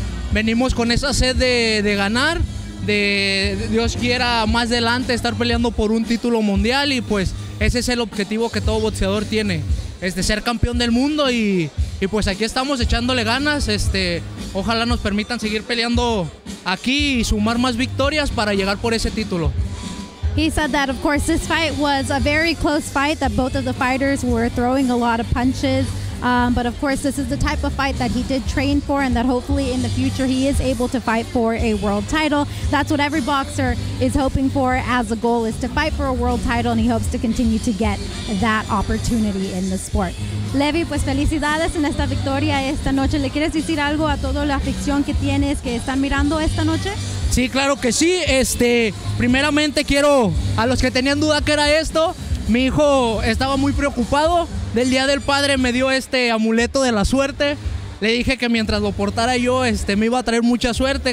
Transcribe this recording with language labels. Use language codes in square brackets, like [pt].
[es] Venimos con esa sed de ganar. De Dios quiera más adelante estar peleando por un título mundial, y pues ese es el objetivo que todo boxeador tiene, ser campeón del mundo, y pues aquí estamos echándole ganas. Ojalá nos permitan seguir peleando aquí y sumar más victorias para llegar por ese título. [en] He said that, of course, this fight was a very close fight, that both of the fighters were throwing a lot of punches. But of course, this is the type of fight that he did train for and that hopefully in the future he is able to fight for a world title. That's what every boxer is hoping for as a goal, is to fight for a world title, and he hopes to continue to get that opportunity in the sport. [es] Levi, pues felicidades en esta victoria esta noche. ¿Le quieres decir algo a toda la afición que tienes que están mirando esta noche? Sí, claro que sí. Primeramente quiero, a los que tenían duda que era esto, mi hijo estaba muy preocupado. Del Día del Padre me dio este amuleto de la suerte. Le dije que mientras lo portara yo, me iba a traer mucha suerte.